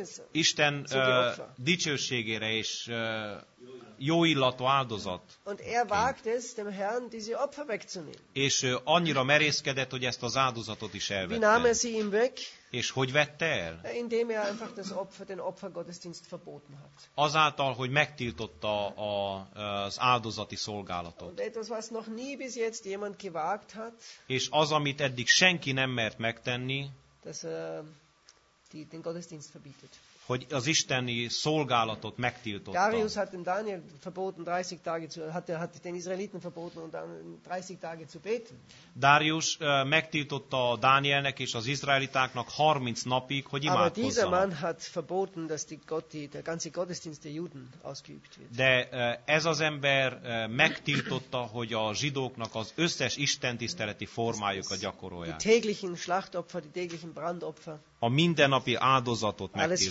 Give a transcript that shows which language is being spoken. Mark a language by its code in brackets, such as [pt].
[hu] Isten dicsőségére és jó illatú áldozat. [de] Und er wagt es, dem Herrn diese Opfer wegzunehmen. [hu] És annyira merészkedett, hogy ezt az áldozatot is elvette. [de] Wie nahm er sie ihm weg? [hu] És hogy vette el? [de] Indem er einfach das Opfer, den Opfergottesdienst verboten hat. [hu] Azáltal, hogy megtiltotta az áldozati szolgálatot. [de] Und etwas, was noch nie bis jetzt jemand gewagt hat. [hu] És az, amit eddig senki nem mert megtenni, [de] das, den Gottesdienst verbietet. [hu] Hogy az isteni szolgálatot megtiltotta. [de] Darius hat dem Daniel verboten 30 Tage zu hat den Israeliten verboten und dann 30 Tage zu beten. [hu] Darius megtiltotta a Dánielnek és az izraelitáknak 30 napig, hogy imádkozzanak. [de] Aber dieser Mann hat verboten, dass der ganze Gottesdienst der Juden ausgeübt wird. [hu] De ez az ember megtiltotta, hogy a zsidóknak az összes istentiszteleti formájuk a gyakorolják. [de] Die täglichen Schlachtopfer, die täglichen Brandopfer. [hu] A mindennapi áldozatot megtiltott.